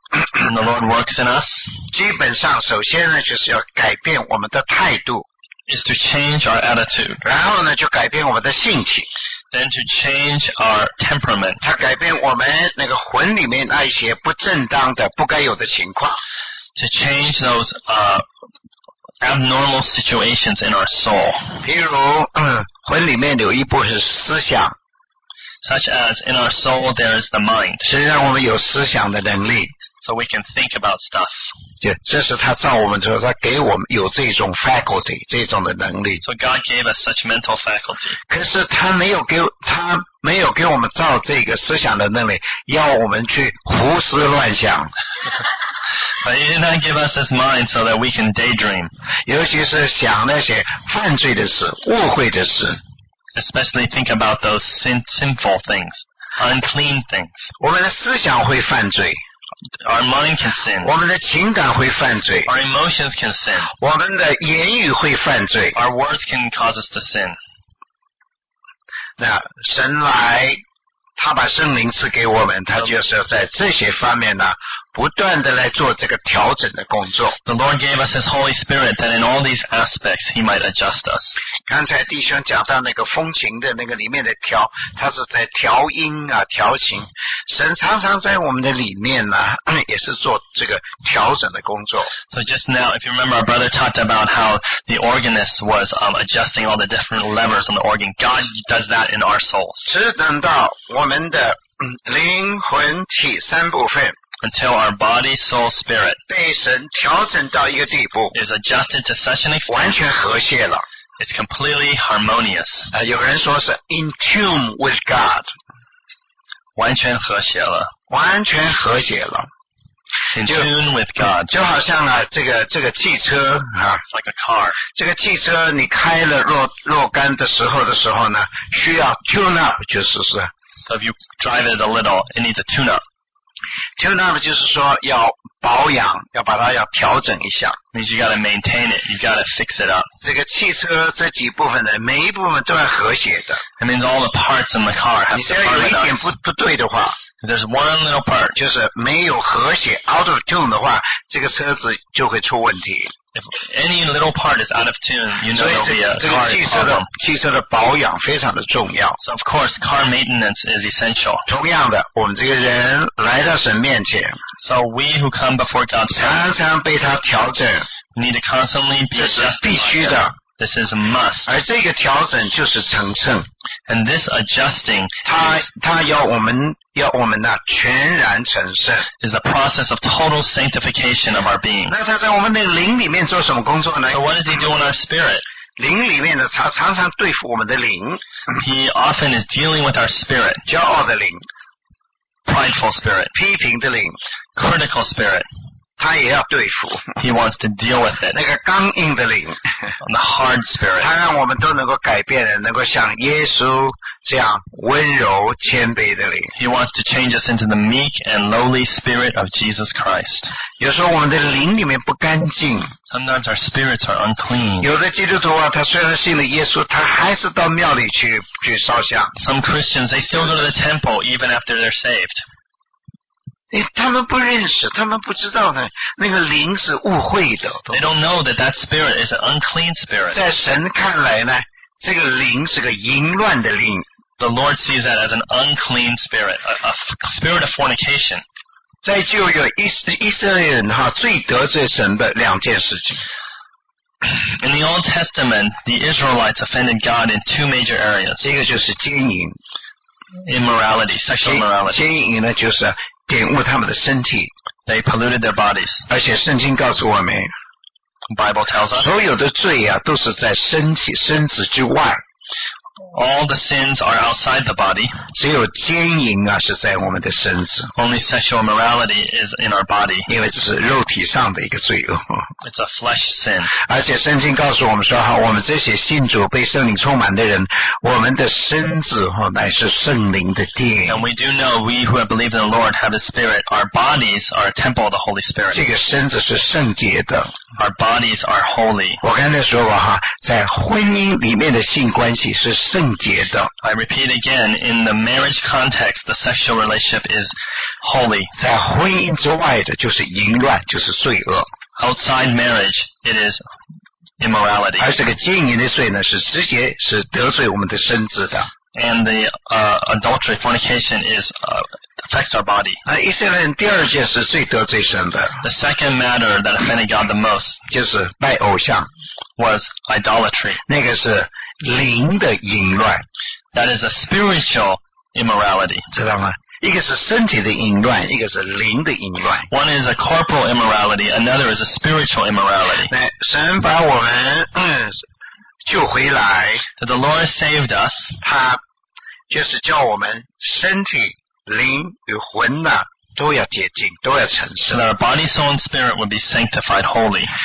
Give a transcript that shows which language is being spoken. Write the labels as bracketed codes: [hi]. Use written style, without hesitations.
[en] and the Lord works in us. [zh] 基本上首先呢就是要改变我们的态度 [en] is to change our attitude. [zh] 然后呢就改变我们的性情 [en] then to change our temperament. [zh] 它改变我们那个魂里面那一些不正当的不该有的情况 [en] to change those abnormal situations in our soul. [zh] 譬如魂里面有一部分思想 [en] Such as in our soul, there is the mind. [zh] 实际上我们有思想的能力 [en] So we can think about stuff. [zh] 这是他造我们之后，他给我们有这种 faculty, 这种的能力 [en] So God gave us such mental faculty. [zh] 可是他没有给我们造这个思想的能力，要我们去胡思乱想。 [en] But he did not give us his mind so that we can daydream. [zh] 尤其是想那些犯罪的事，误会的事。 [en] Especially think about those sinful things, unclean things. [zh] 我们的思想会犯罪。 [en] Our mind can sin. [zh] 我们的情感会犯罪。 [en] Our emotions can sin. [zh] 我们的言语会犯罪。 [en] Our words can cause us to sin. [zh] 那神来，他把圣灵赐给我们，他就是要在这些方面呢，不断地来做这个调整的工作。 [en] The Lord gave us His Holy Spirit that in all these aspects He might adjust us. [zh] 刚才弟兄讲到那个风琴的那个里面的调，它是在调音啊，调琴。神常常在我们的里面呢，也是做这个调整的工作。 [en] So just now, if you remember, our brother talked about how the organist was adjusting all the different levers on the organ. God does that in our souls. [zh] 只等到我们的灵魂体三部分。 [en] Until our body, soul, spirit [zh] 被神调整到一个地步 [en] is adjusted to such an extent [zh] 完全和谐了 [en] It's completely harmonious [zh] 有人说是 [en] in tune with God [zh] 完全和谐了完全和谐了 [en] In tune with God [zh] 就好像啊这个汽车、啊、 [en] It's like a car [zh] 这个汽车你开了若干的时候呢需要 tune up 就是说 [en] So if you drive it a little it needs a tune up [zh] Tune up 就是说要保养，要把它要调整一下。 [en] Means you gotta maintain it, you gotta fix it up. [zh] 这个汽车这几部分的每一部分都要和谐的。 [en] It means all the parts in the car have to harmonize. [zh] 你只要有一点不对的话 [en] If there's one little part, [zh] 就是没有和谐 [en] out of tune [zh] 的话，这个车子就会出问题。 [en] If any little part is out of tune, you know there'll be a car problem. [zh] 所以这个汽车的保养非常的重要。 [en] So of course, car maintenance is essential. [zh] 同样的，我们这个人来到神面前。 [en] So we who come before God, [zh] 常常被他调整。 [en] Need to constantly be adjusted. [zh] 这是必须的。 [en] This is a must. [zh] 而这个调整就是成圣。 [en] And this adjusting, [zh] 他要我们。要我们呢全然成圣 [en] is the process of total sanctification of our being. [zh] 那他在我们的灵里面做什么工作呢 [en] So what does he do in our spirit? [zh] 灵里面呢，他常常对付我们的灵。 [en] He often is dealing with our spirit. [zh] 骄傲的灵。 [en] Prideful spirit. [zh] 批评的灵。 [en] Critical spirit. [zh] 他也要对付。 [en] He wants to deal with it. [zh] 那个刚硬的灵。 [en] The hard spirit. [zh] 他让我们都能够改变，能够像耶稣。这样温柔谦卑的灵 [en] He wants to change us into the meek and lowly spirit of Jesus Christ. [zh] 有时候我们的灵里面不干净 [en] Sometimes our spirits are unclean. [zh] 有的基督徒啊，他虽然信了耶稣，他还是到庙里去烧香 [en] Some Christians, they still go to the temple even after they're saved. [zh] 他们不认识，他们不知道呢，那个灵是污秽的 [en] They don't know that that spirit is an unclean spirit. [zh] 在神看来呢这个灵是个淫乱的灵。 [en] The Lord sees that as an unclean spirit, a spirit of fornication. [zh] 在旧约以色列人哈最得罪神的两件事情。 [en] In the Old Testament, the Israelites offended God in two major areas. [zh] 一个就是奸淫。 [en] Immorality, sexual immorality. [zh] 奸淫呢就是玷污他们的身体。 [en] They polluted their bodies. [zh] 而且圣经告诉我们 [en] Bible tells us, [zh] 所有的罪啊，都是在身体身子之外。 [en] All the sins are outside the body. [zh] 只有奸淫啊是在我们的身子。 [en] Only sexual morality is in our body. [zh] 因为这是肉体上的一个罪恶。 [en] It's a flesh sin. [zh] 而且圣经告诉我们说，哈，我们这些信主被圣灵充满的人，我们的身子哈乃是圣灵的殿。 [en] And we do know we who have believed in the Lord have His Spirit. Our bodies are a temple of the Holy Spirit. [zh] 这个身子是圣洁的。 [en] Our bodies are holy. [zh] 我刚才说过哈，在婚姻里面的性关系是圣。 [en] I repeat again, in the marriage context, the sexual relationship is holy. [zh] 在婚姻之外的就是淫乱，就是罪恶。 [en] Outside marriage, it is immorality. [zh] 而这个奸淫的罪呢，是直接是得罪我们的身子的。 [en] And the adultery, fornication is affects our body. [zh] 以色列人第二件是最得罪神的。 [en] The second matter that offended God the most [zh] 就是拜偶像 [en] was idolatry. [zh] 那个是灵的淫乱 [en] That is a spiritual immorality [zh] 知道吗一个是身体的淫乱一个是灵的淫乱 [en] One is a corporal immorality Another is a spiritual immorality [zh] 那神把我们救回来 [en] That the Lord saved us [zh] 他就是叫我们身体灵与魂呢都要洁净都要成圣 [en] That our body, soul, and spirit would be sanctified holy